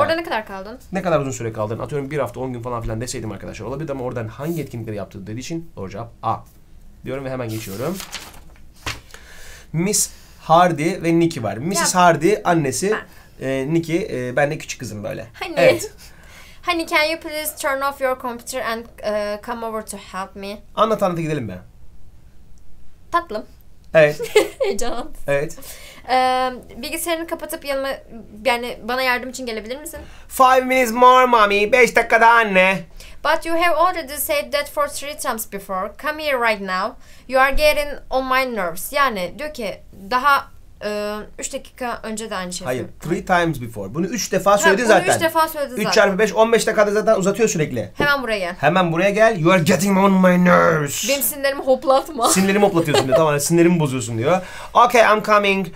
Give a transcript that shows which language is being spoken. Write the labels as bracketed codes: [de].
[tr] Orada ne kadar kaldın? Ne kadar uzun süre kaldın? Atıyorum bir hafta, 10 gün falan filan deseydim arkadaşlar. Olabilir ama oradan hangi etkinlikleri yaptığı dediği için doğru cevap A. Diyorum ve hemen geçiyorum. Miss Hardy ve Nikki var. Mrs. Ya. Hardy annesi, Nikki, ben de küçük kızım böyle. Honey. Evet. [en] Honey, can you please turn off your computer and come over to help me? [tr] Anlat gidelim be. Tatlım. Evet. Heyecan. Evet. Bilgisayarını kapatıp yanıma, yani bana yardım için gelebilir misin? [en] 5 minutes more, mommy. [tr] 5 dakika daha anne. [en] But you have already said that for 3 times before. Come here right now. You are getting on my nerves. [tr] Yani diyor ki daha 3 dakika önce de aynı şey. Hayır, [en] 3 times before. [tr] Bunu 3 defa söyledi bunu zaten. 3 defa söyledi zaten. 3x5, 15 dakikada zaten uzatıyor sürekli. Hemen buraya gel. Hemen buraya gel. [en] You are getting on my nerves. [tr] Benim sinirlerimi hoplatma. Sinirimi hoplatıyorsun diyor. Tamam, sinirimi bozuyorsun diyor. [en] Okay, I'm coming.